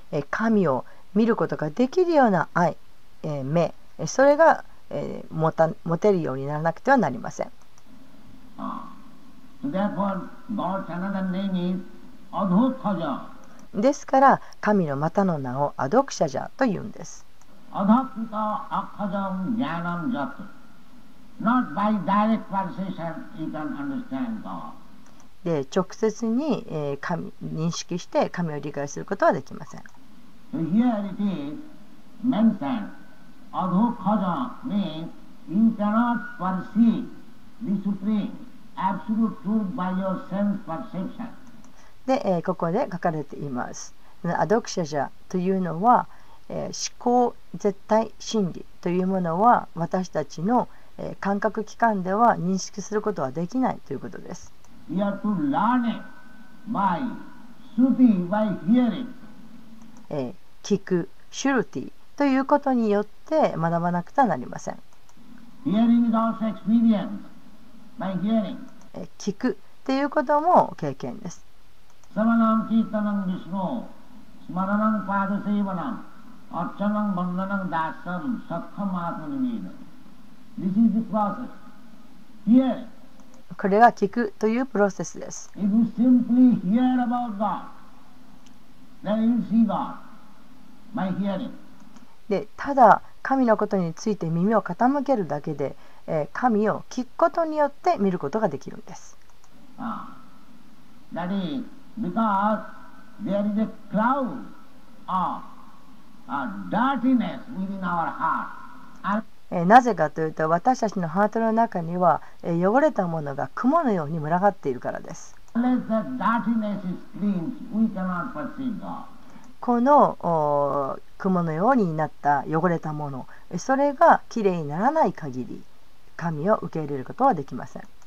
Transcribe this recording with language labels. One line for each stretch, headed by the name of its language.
Japanese: 神を見ることができるような愛、目、それが、持てるようにならなくてはなりません。
English: Therefore, God's another name is Adhokshaja.
Japanese: ですから神のまたの名をアドクシャジャというんです。アドクタアカジャンジャナンジャト。
English: Not by direct perception you can understand God.
Japanese: で直接に、神認識して神を理解することはできません。
English: So、here it is mentioned. Adhokshaja means you cannot perceive the supreme absolute truth by your sense perception.
Japanese: で、ここで書かれています。アドクシャジャというのは、思考絶対真理というものは私たちの、感覚器官では認識することはできないということです。
English: We have to learn it by shruti, by hearing.
Japanese: 聞く、shruti ということによって学ばなくてはなりません。
English: Hearing is also experience by hearing.
Japanese: 聞くということも経験です。
Sanskrit: サマナンキータナンビシノ、スマナナンパーダセイバナン、アッチャナンバンダナンダッサン、サッカマータナミナ。
English: This is the process. Hearing.
Japanese: これが聞くというプロセスです。
English: If you simply hear about God, then you see God by hearing.
Japanese: で、ただ神のことについて耳を傾けるだけで、神を聞くことによって見ることができるんです。
English: That is because there is a cloud of dirtiness within our heart.
Japanese: なぜかというと私たちのハートの中には汚れたものが雲のように群がっているからです。この雲のようになった汚れたもの、それがきれいにならない限り神を受け入れることはできません。